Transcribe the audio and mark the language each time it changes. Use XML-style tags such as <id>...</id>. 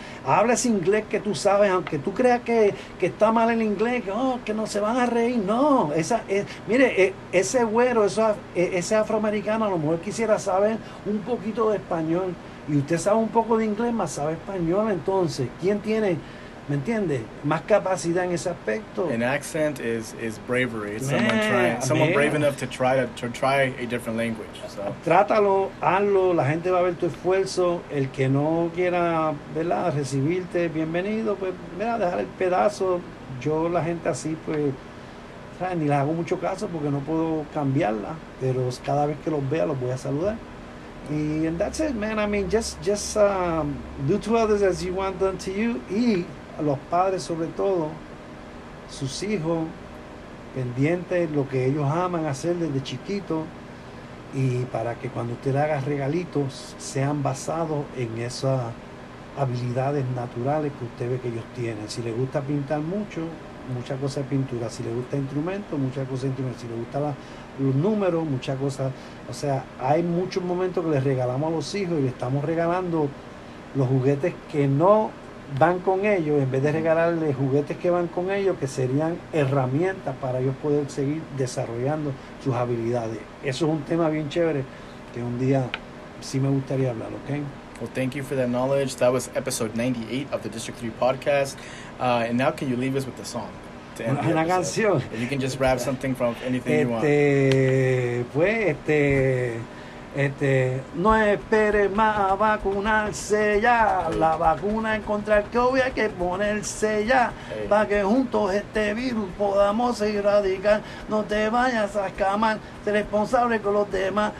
<es>hables inglés que tú sabes, aunque tú creas que está mal el inglés, que no se van a reír. No, ese güero, ese afroamericano, a lo mejor quisiera saber un poquito de español. Y usted sabe un poco de inglés, más sabe español. Entonces, ¿quién tiene, me entiende, más capacidad en ese aspecto?</es> <en>An accent is bravery. It's someone brave enough to try a different language. So.</en> <es>Trátalo, hazlo, la gente va a ver tu esfuerzo. El que no quiera, ¿verdad?, recibirte, bienvenido, pues, mira, dejar el pedazo. Yo, la gente así, pues, ¿sabes?, ni les hago mucho caso porque no puedo cambiarla. Pero cada vez que los vea, los voy a saludar.</es> <en>And that's it, man. I mean, just do to others as you want done to you.</en> <es>Y los padres, sobre todo, sus hijos, pendientes lo que ellos aman hacer desde chiquito, y para que cuando usted le haga regalitos sean basados en esas habilidades naturales que usted ve que ellos tienen. Si le gusta pintar mucho, mucha cosa de pintura. Si le gusta instrumento, mucha cosa de instrumento. Si le gusta los números, muchas cosas. O sea, hay muchos momentos que les regalamos a los hijos y estamos regalando los juguetes que no van con ellos, en vez de regalarles juguetes que van con ellos, que serían herramientas para ellos poder seguir desarrollando sus habilidades. Eso es un tema bien chévere que un día sí me gustaría hablar, ¿ok?</es> <en>Well, thank you for that knowledge. That was episode 98 of the District 3 podcast. And now can you leave us with the song?</en> <es>Una canción.</es> <en>If you can just grab something from anything you want.</en> <es>Pues, no espere más a vacunarse ya. La vacuna en contra el COVID hay que ponerse ya. Para que juntos este virus podamos erradicar. No te vayas a escamar, sé responsable con los demás.</es>